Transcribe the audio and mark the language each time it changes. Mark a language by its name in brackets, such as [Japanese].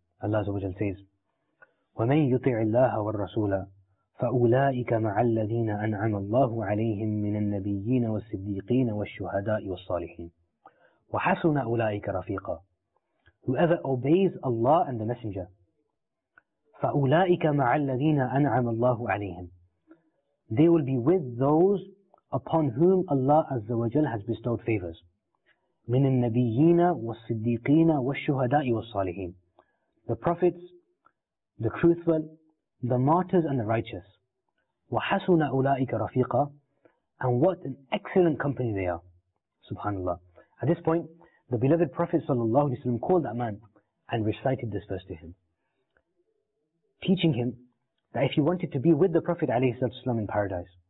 [Arabic] Allah Azza wa Jalla says, وَمَنْ يُطِعِ اللَّهَ وَالرَّسُولَ فَأُولَٰئِكَ مَعَ الَّذِينَ أَنْعَمَ اللَّهُ عَلَيْهِمْ مِنَ النَّبِيِّينَ وَالصِّدِّيقِينَ وَالشُّهَدَاءِ وَالصَّالِحِينَ وَحَسُنَ أُولَٰئِكَ رَفِيقًا. [English] Whoever obeys Allah and the Messenger, [Arabic] فَأُولَٰئِكَ مَعَ الَّذِينَ أَنْعَمَ اللَّهُ عَلَيْهِمْ, [English] they will be with those upon whom Allah Azza wa Jalla has bestowed favors. [Arabic] من النبيين والصديقين والشهداء والصالحين. [English] The prophets, the truthful, the martyrs and the righteous. [Arabic] وَحَسُنَ أُولَٰئِكَ رَفِيقًا. [English] And what an excellent company they are. Subhanallah. At this point, the beloved Prophet sallallahu alaihi wasallam called that man and recited this verse to him, teaching him that if he wanted to be with the Prophet alayhi sallallahu alaihi wasallam in paradise,